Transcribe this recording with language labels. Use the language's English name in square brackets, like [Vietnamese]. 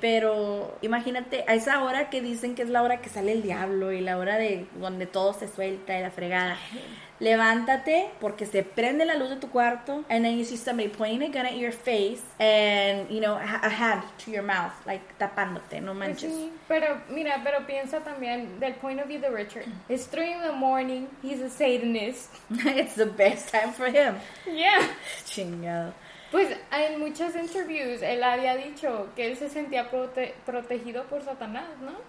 [Spanish] Pero imagínate, a esa hora que dicen que es la hora que sale el diablo y la hora de donde todo se suelta y la fregada. Levántate porque se prende la luz de tu cuarto. [English] And then you see somebody pointing a gun at your face and, you know, a hand to your mouth, like [Spanish] tapándote, no manches. Sí, pero piensa también del [English] point of view [Spanish] de Richard. [English] It's 3 a.m, he's a Satanist. It's the best time for him. Yeah. [Spanish] Chingado. Pues en muchas entrevistas él había dicho que él se sentía protegido por Satanás, ¿no?